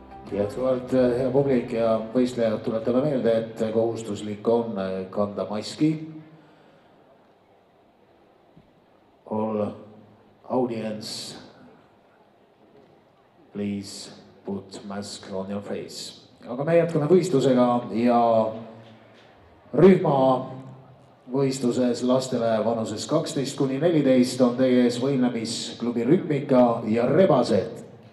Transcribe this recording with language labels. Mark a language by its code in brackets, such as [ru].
[et] Hea publik ja võistlejad, tuletame meelde, et kohustuslik on kanda maski. [en] All audience, please put mask on your face. [et] Aga me jätkame võistlusega ja rühma võistluses lastele vanuses 12-14 on teie ees võimlemisklubi rühmika ja rebased.